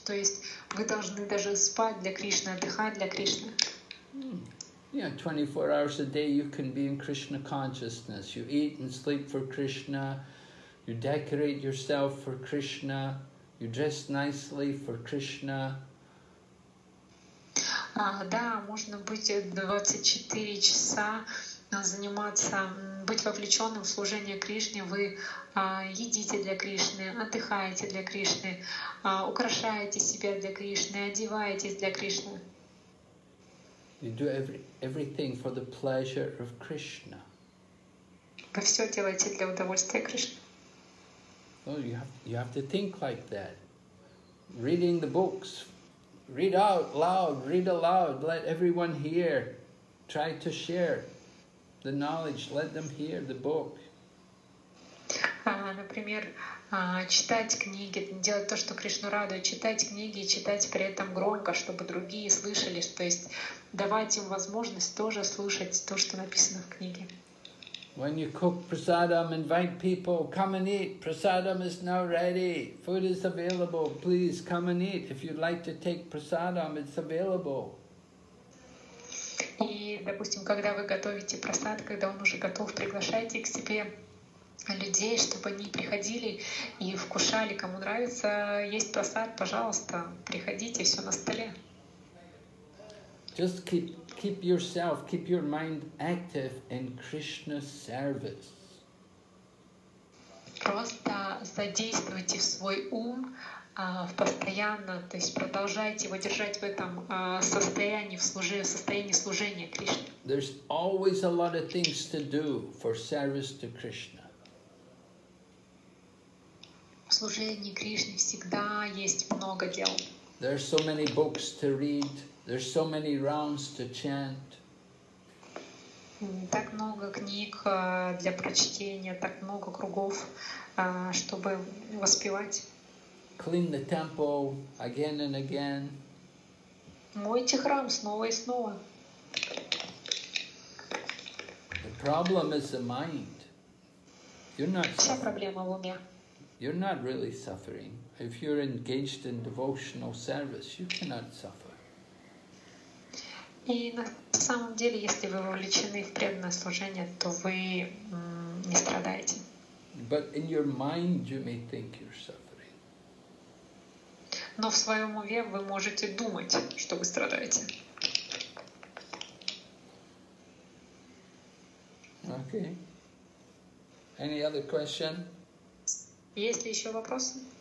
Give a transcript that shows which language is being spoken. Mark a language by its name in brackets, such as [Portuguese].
[Russian] То есть вы должны даже спать для Кришны, отдыхать для Кришны. [English] Yeah, 24 hours a day you can be in Krishna consciousness. You eat and sleep for Krishna. You decorate yourself for Krishna. You dress nicely for Krishna. [Russian] Да, можно быть 24 часа заниматься, быть вовлеченным в служение Кришне. Вы едите для Кришны, отдыхаете для Кришны, украшаете себя для Кришны, одеваетесь для Кришны. [English] You do everything for the pleasure of Krishna. [Russian] Вы все делаете для удовольствия Кришны. [English] Well, you have to think like that. Reading the books, read out loud, read aloud, let everyone hear, try to share the knowledge, let them hear the book. [Russian] Например, читать книги, делать то, что Кришну радует, читать книги и читать при этом громко, чтобы другие слышали, то есть давать им возможность тоже слушать то, что написано в книге. [English] When you cook prasadam, invite people, come and eat. Prasadam is now ready. Food is available. Please come and eat. If you'd like to take prasadam, it's available. [Russian] И, допустим, когда вы готовите прасад, когда он уже готов, приглашайте к себе людей, чтобы они приходили и вкушали. Кому нравится есть прасад, пожалуйста, приходите, все на столе. [English] Just keep yourself, keep your mind active in Krishna's service. [Russian] Просто задействуйте свой ум постоянно, то есть продолжайте его держать в этом состоянии служения Кришне. [English] There's always a lot of things to do for service to Krishna. [Russian] В служении Кришне всегда есть много дел. [English] There are so many books to read. There's so many rounds to chant. [Russian] Так много книг для прочтения, так много кругов, чтобы воспевать. [English] Clean the temple again and again. [Russian] Мойте храм снова и снова. [English] The problem is the mind. You're not. [Russian] Вся проблема в уме. [English] You're not really suffering. If you're engaged in devotional service, you cannot suffer. [Russian] И на самом деле, если вы вовлечены в преданное служение, то вы не страдаете. [English] But in your mind you may think you're suffering. [Russian] Но в своем уме вы можете думать, что вы страдаете. [English] Okay. Any other question? [Russian] Есть ли еще вопросы?